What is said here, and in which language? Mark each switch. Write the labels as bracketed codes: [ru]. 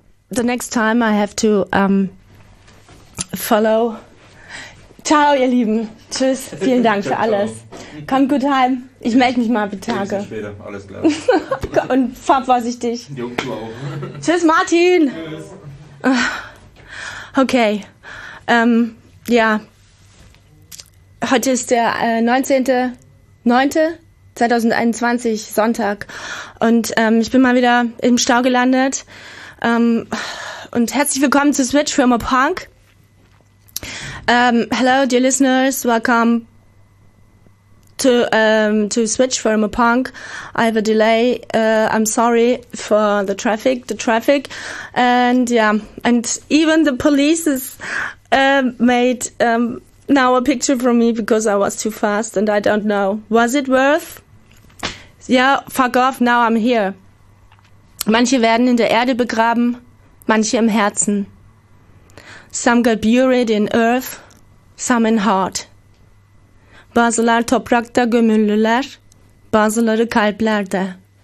[en] The next time I have to follow. [de] Ciao, ihr Lieben. Tschüss. Vielen Dank für alles. Kommt gut heim. Ich melde mich mal für Tage. Bis später. Alles klar. Und fahr vorsichtig. Jo, du auch. Tschüss, Martin. Tschüss. Okay. Ja. Heute ist der 19.09. 2021, Sonntag. Und ich bin mal wieder im Stau gelandet. Und herzlich willkommen zu Switch für immer Punk. [en] Hello, dear listeners. Welcome to Switch for immer Punk. I have a delay. I'm sorry for the traffic. And yeah, and even the police is made now a picture from me because I was too fast and I don't know. Was it worth? Ja, fuck off, now I'm here. [de] Manche werden in der Erde begraben, manche im Herzen. [en] Some got buried in earth, some in heart. [tr] Bazılar toprakta gömülürler, bazıları kalplerde.